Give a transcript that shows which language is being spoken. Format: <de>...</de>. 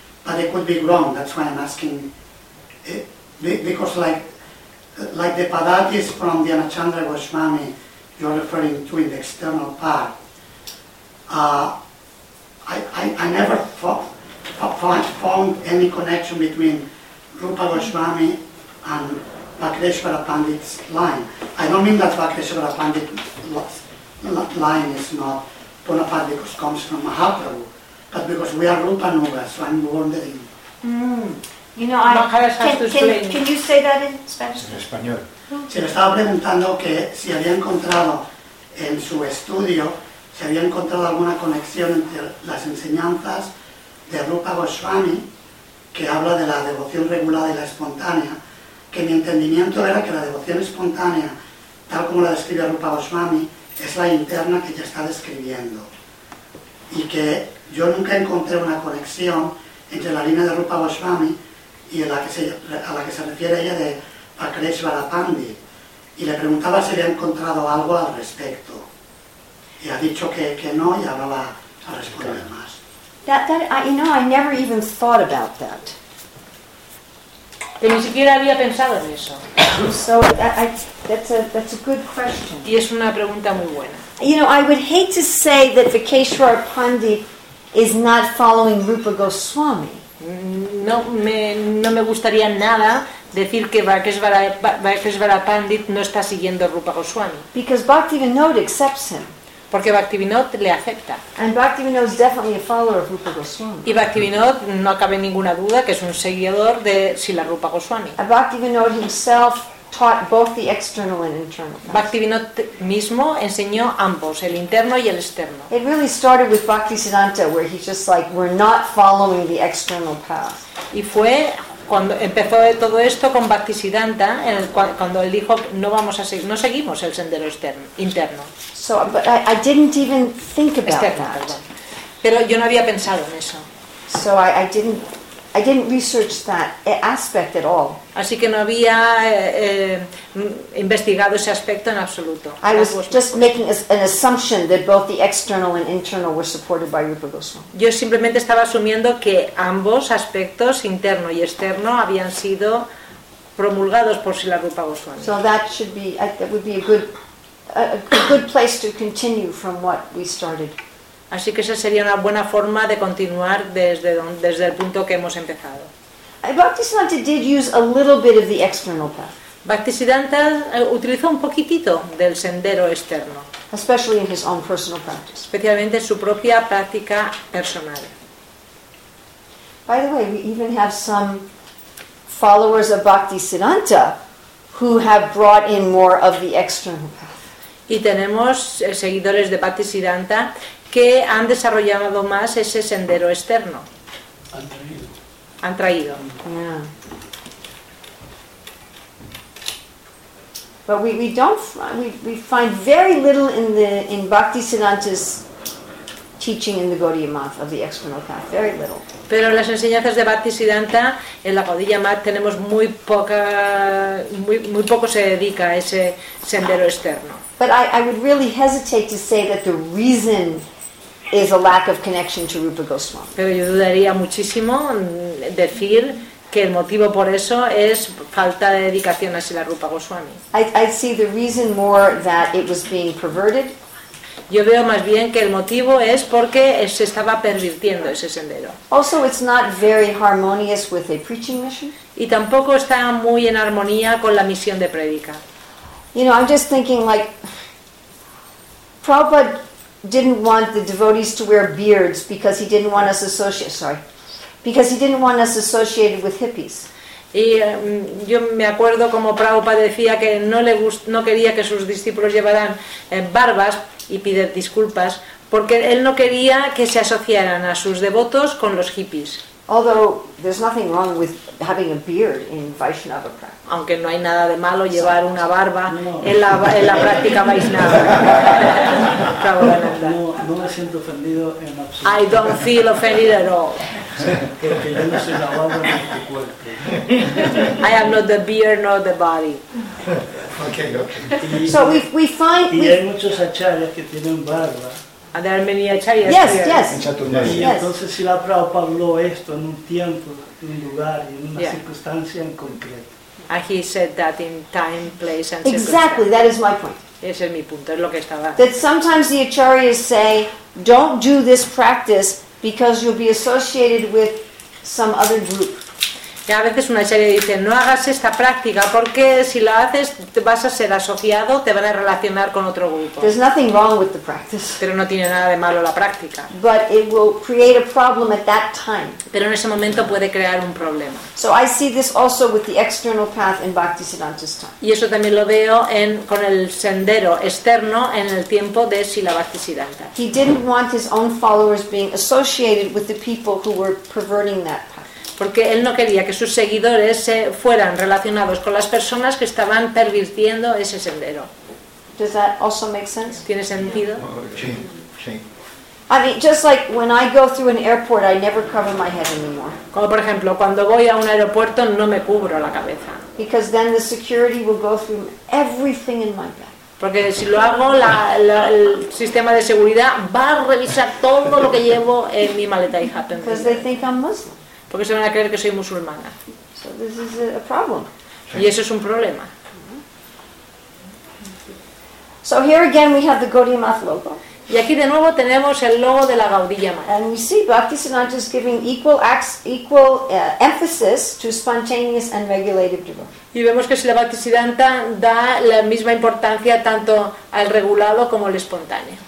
<en>But it could be wrong, that's why I'm asking. Because like the Padatis from Dhyanachandra Goswami you're referring to in the external part, I never found any connection between Rupa Goswami and Vakreshwara Pandit's line. I don't mean that Vakreshwara Pandit's line is not bona fide because it comes from Mahaprabhu, but because we are Rupa Nuga, so I'm wondering. Can you say that in Spanish?</en> <es>Se le estaba preguntando que si había encontrado en su estudio, si había encontrado alguna conexión entre las enseñanzas de Rupa Goswami, que habla de la devoción regulada y la espontánea, que mi entendimiento era que la devoción espontánea, tal como la describe Rupa Goswami, es la interna que ya está describiendo. Y que yo nunca encontré una conexión entre la línea de Rupa Goswami y a la que se refiere ella de Vakreshwara Pandit, y le preguntaba si había encontrado algo al respecto, y ha dicho que no, y ahora va a responder más.</es> <en>I never even thought about that.</en> <es>Que ni siquiera había pensado en eso.</es> <en>So that's a good question.</en> <es>Y es una pregunta muy buena.</es> <en>You know, I would hate to say that Vakreshwara Pandit is not following Rupa Goswami.</en> <es>No me gustaría nada decir que Vakreshwara Pandit no está siguiendo Rupa Goswami.</es> <en>Because Bhaktivinoda accepts him.</en> <es>Porque Bhaktivinoda le acepta.</es> <en>And Bhaktivinoda is definitely a follower of Rupa Goswami.</en> <es>Y Bhaktivinoda, no cabe ninguna duda, que es un seguidor de Srila Rupa Goswami.</es> <en>And Bhaktivinoda himself taught both the external and internal.</en> <es>Bhaktivinoda mismo enseñó ambos, el interno y el externo.</es> <en>It really started with Bhaktisiddhanta, where he's just like, we're not following the external path.</en> <es>Y fue cuando empezó todo esto con Bhaktisiddhanta, cuando él dijo, no seguimos el sendero externo, interno.</es> <en>So, but I didn't even think about</en> <es>externo,</es> <en>that.</en> <es>Perdón. Pero yo no había pensado en eso.</es> <en>So I didn't research that aspect at all.</en> <es>Así que no había investigado ese aspecto en absoluto.</es> <en>I was just making an assumption that both the external and internal were supported by Rupa Goswami.</en> <es>Yo simplemente estaba asumiendo que ambos aspectos, interno y externo, habían sido promulgados por Srila Rupa Goswami.</es> <en>So that should be that would be a good place to continue from what we started.</en> <es>Así que esa sería una buena forma de continuar desde el punto que hemos empezado.</es> <en>Bhaktisiddhanta did use a little bit of the external path.</en> <es>Bhaktisiddhanta utilizó un poquitito del sendero externo.</es> <en>especially in his own personal practice.</en> <es>Especialmente en su propia práctica personal.</es> <en>By the way, we even have some followers of Bhakti Siddhanta who have brought in more of the external path.</en> <es>Y tenemos seguidores de Bhakti Siddhanta que han desarrollado más ese sendero externo. Han traído.</es> <en>Yeah. But we find very little in Bhakti Siddhanta's teaching in the Gaudiya Math of the external path, very little.</en> <es>Pero en las enseñanzas de Bhakti Siddhanta en la Gaudiya Math tenemos muy poco se dedica a ese sendero externo.</es> <en>But I would really hesitate to say that the reason is a lack of connection to Rupa Goswami.</en> <es>Pero yo dudaría muchísimo decir que el motivo por eso es falta de dedicación a Srila Rupa Goswami.</es> <en>I see the reason more that it was being perverted.</en> <es>Yo veo más bien que el motivo es porque se estaba pervirtiendo ese sendero.</es> <en>Also, it's not very harmonious with a preaching mission.</en> <es>Y tampoco está muy en armonía con la misión de predica.</es> <en>You know, I'm just thinking like Prabhupada didn't want the devotees to wear beards because he didn't want us associated. Sorry, because he didn't want us associated with hippies.</en> <es>Y yo me acuerdo como Prabhupada decía que no quería que sus discípulos llevaran barbas y pide disculpas porque él no quería que se asociaran a sus devotos con los hippies.</es> <en>Although there's nothing wrong with having a beard in Vaishnava practice.</en> <es>Aunque no hay nada de malo llevar una barba en la práctica Vaishnava. No me siento ofendido en absoluto.</es> <en>I don't feel offended at all.</en> <es>Que yo no soy la barba ni tu cuerpo.</es> <en>I am not the beard nor the body. Okay. So we find.</en> <es>Y hay muchos acharyas que tienen barba.</es> <en>And there are many acharyas. Yes, yes.</en> <es>Y entonces si la Prabhupada habló esto en un tiempo, en un lugar y en una circunstancia en concreto.</es> <en>And he said that in time, place, and exactly, that is my point.</en> <es>Ese es mi punto, es lo que estaba.</es> <en>That sometimes the acharyas say, don't do this practice because you'll be associated with some other group.</en> <es>Y a veces una acharya dice, no hagas esta práctica porque si la haces te vas a ser asociado, te van a relacionar con otro grupo.</es> <en>There's nothing wrong with the practice.</en> <es>Pero no tiene nada de malo la práctica.</es> <en>But it will create a problem at that time.</en> <es>Pero en ese momento puede crear un problema.</es> <en>So I see this also with the external path in Bhakti Siddhanta's time.</en> <es>Y eso también lo veo con el sendero externo en el tiempo de Srila Bhakti Siddhanta.</es> <en>He didn't want his own followers being associated with the people who were perverting that.</en> <es>Porque él no quería que sus seguidores se fueran relacionados con las personas que estaban pervirtiendo ese sendero.</es> <en>Does that also make sense?</en> <es>¿Tiene sentido? Sí.</es> <en>I mean, just like when I go through an airport, I never cover my head anymore.</en> <es>Como por ejemplo, cuando voy a un aeropuerto no me cubro la cabeza.</es> <en>Because then the security will go through everything in my bag.</en> <es>Porque si lo hago, el sistema de seguridad va a revisar todo lo que llevo en mi maleta y hat.</es> <en>Because they think I'm Muslim.</en> <es>Porque se van a creer que soy musulmana.</es> <en>So this is a problem.</en> <es>Y eso es un problema.</es> <en>So here again we have the Gaudiya Math logo.</en> <es>Y aquí de nuevo tenemos el logo de la Gaudiya Math.</es> <en>And we see Bhakti Siddhanta is giving equal emphasis to spontaneous and regulative devotion.</en> <es>Y vemos que Srila Bhakti Siddhanta da la misma importancia tanto al regulado como al espontáneo.</es>